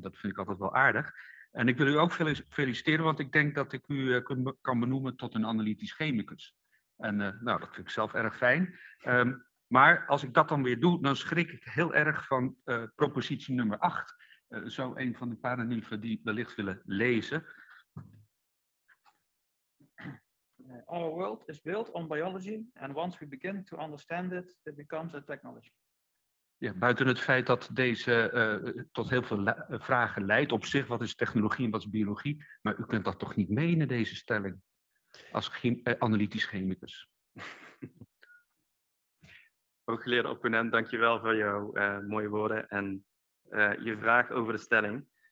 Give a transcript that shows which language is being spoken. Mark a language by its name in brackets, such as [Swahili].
[Dutch] Dat vind ik altijd wel aardig. En ik wil u ook feliciteren, want ik denk dat ik u kan benoemen tot een analytisch chemicus. En dat vind ik zelf erg fijn. Maar als ik dat dan weer doe, dan schrik ik heel erg van propositie nummer 8. Zo een van de paragrafen die wellicht willen lezen. [English] Our world is built on biology, and once we begin to understand it, it becomes a technology. [Dutch] Ja, buiten het feit dat deze tot heel veel vragen leidt op zich, wat is technologie en wat is biologie, maar u kunt dat toch niet menen, deze stelling, als analytisch chemicus. Hooggeleerde opponent, dankjewel voor jouw mooie woorden en je vraag over de stelling.